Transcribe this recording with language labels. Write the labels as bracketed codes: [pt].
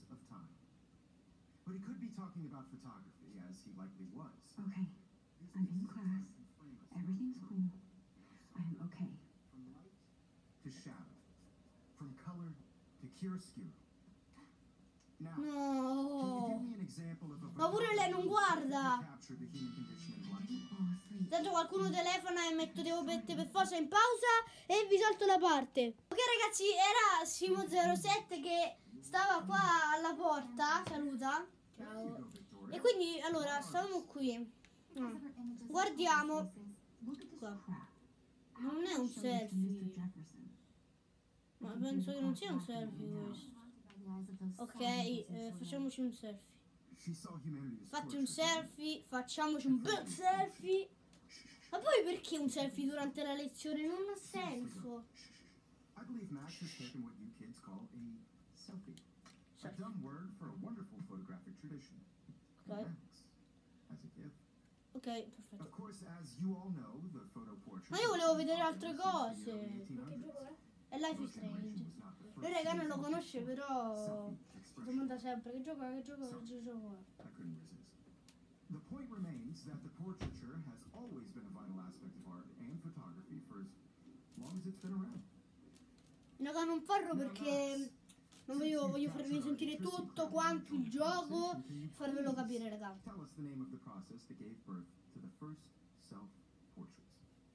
[en] But he could be talking about photography, as he likely was. Okay, I'm in class. Everything's cool. I'm okay. From light to shadow. From color to chiaroscuro. Now, can you give me an example of a photography? [it] Ma pure lei non guarda! [en] Capture the human condition in life. [it] Intanto qualcuno telefona e metto devo mettere per forza in pausa e vi salto la parte. Ok ragazzi, era Simo07 che stava qua alla porta. Saluta. Ciao. E quindi, allora, stavamo qui. Guardiamo. Qua. Non è un selfie. Ma penso che non sia un selfie questo. Ok, facciamoci un selfie. Fatti un selfie, facciamoci un bel selfie. Ma poi perché un selfie durante la lezione? Non ha senso. [en] I believe Max has taken what you kids call a selfie. A dumb word for a wonderful photographic tradition. Okay. As a gift. [it] Okay, perfetto. [en] Of course, as you all know, the photo portrait. [it] Ma io volevo vedere altre cose. Che gioco è? È Life is Strange. Lui, raga, non lo conosce, però domanda sempre che gioco è. [en] I couldn't resist. The point remains that the portraiture has always been a vital aspect of art and photography for as long as it's been around. [it] No, non farlo perché Non voglio, voglio farvi sentire tutto quanto il gioco, farvelo capire, raga. [en] Tell us the name of the process that gave birth to the first self-portraits.